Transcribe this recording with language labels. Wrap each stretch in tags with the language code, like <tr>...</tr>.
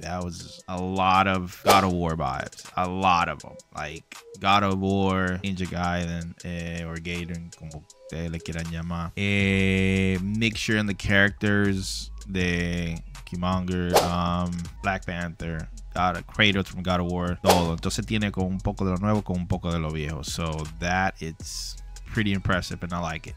<en>That was a lot of God of War vibes. A lot of them. Like God of War, Ninja Gaiden, or Gaiden,</en> <es>como ustedes le quieran llamar.</es> <en>Mixture in the characters, the Killmonger, Black Panther, God of Kratos from God of War.</en> <es>Todo. Entonces tiene como un poco de lo nuevo con un poco de lo viejo.</es> <en>So that it's pretty impressive and I like it.</en>